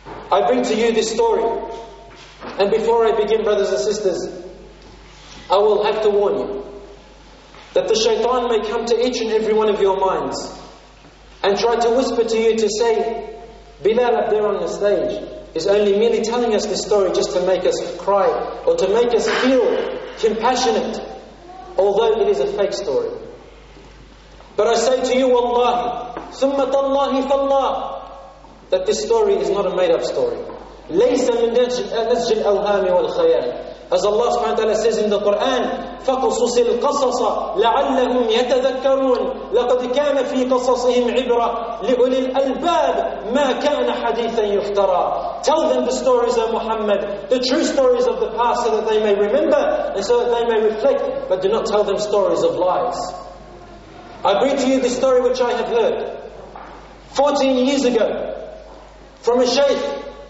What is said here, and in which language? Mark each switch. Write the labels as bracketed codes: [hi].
[en] I bring to you this story. And before I begin, brothers and sisters, I will have to warn you that the shaitan may come to each and every one of your minds and try to whisper to you to say, Bilal up there on the stage is only merely telling us this story just to make us cry or to make us feel compassionate, although it is a fake story. But I say to you, Wallahi, [ar] ثُمَّ تَاللَّهِ فَاللَّهِ, [en] that this story is not a made-up story. [ar] لَيْسَ مِنْ نَجْجِ الْأَوْهَامِ وَالْخَيَالِ. [en] As Allah subhanahu wa ta'ala says in the Quran, [ar] فَقُصُصِ الْقَصَصَ لَعَلَّهُمْ يَتَذَكَّرُونَ لَقَدْ كَانَ فِي قَصَصِهِمْ عِبْرَةً لِأُولِي الْأَلْبَابِ مَا كَانَ حَدِيثًا يُفْتَرَى. [en] Tell them the stories of Muhammad, the true stories of the past, so that they may remember and so that they may reflect, but do not tell them stories of lies. I bring to you the story which I have heard 14 years ago from a sheikh.